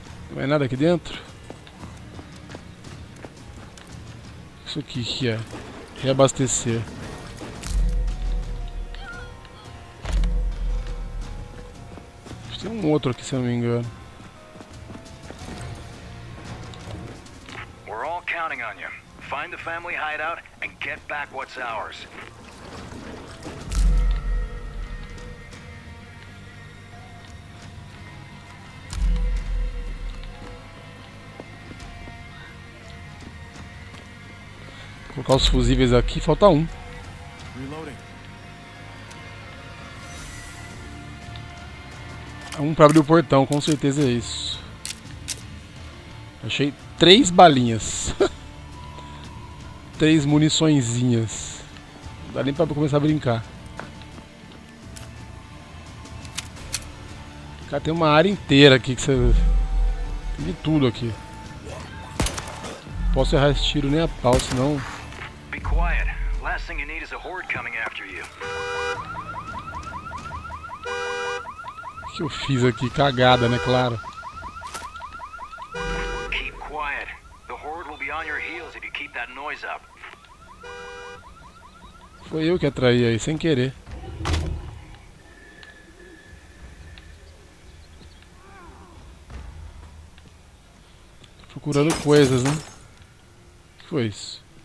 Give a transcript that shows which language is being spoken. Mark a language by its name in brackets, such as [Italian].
[Portuguese] Não é nada aqui dentro? Isso aqui que é? Reabastecer. Tem um outro aqui, se eu não me engano. [English] We're all counting on you. Find the family hideout and get back what's ours. [Portuguese] Colocar os fusíveis aqui, falta um. [English] Reloading. [Portuguese] Um pra abrir o portão, com certeza é isso. Achei três balinhas. Três muniçõezinhas. Não dá nem pra começar a brincar. Cara, tem uma área inteira aqui que você. Tem de tudo aqui. Posso errar esse tiro nem a pau, senão. [English] Be quiet. Last thing you need is a horde coming after you. [Portuguese] O que eu fiz aqui? Cagada, né? Claro. [English] Keep quiet. The horde will be on your heels if you keep that noise up. [Portuguese] Foi eu que atraí aí, sem querer. Tô procurando coisas, né? O que foi isso?